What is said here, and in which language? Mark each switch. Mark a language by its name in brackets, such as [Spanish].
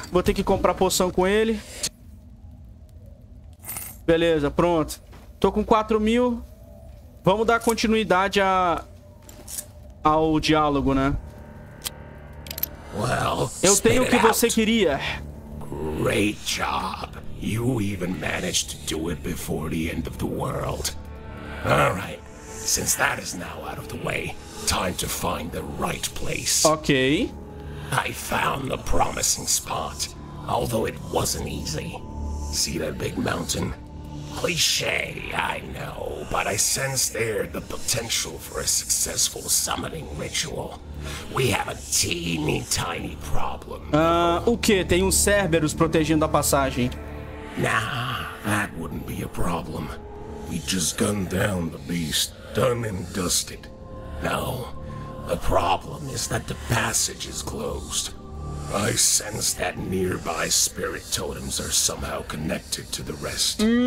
[Portuguese] Vou ter que comprar poção com ele. Beleza, pronto. Tô com 4 mil. Vamos dar continuidade ao diálogo, né? [English] Well, [Portuguese] eu tenho o que você queria. [English] Great job. You even managed to do it before the end of the world. All right. Since that is now out of the way, time to find the right place. Okay. I found the promising spot, although it wasn't easy. See that big mountain? Cliché, I know, but I sense there the potential for a successful summoning ritual. We have a teeny tiny problem. [Portuguese] O quê? Tem um Cerberus protegendo a passagem. [English] Nah, that wouldn't be a problem. We just gunned down the beast, done and dusted. No, the problem is that the passage is closed. I sense that nearby spirit totems are somehow connected to the rest.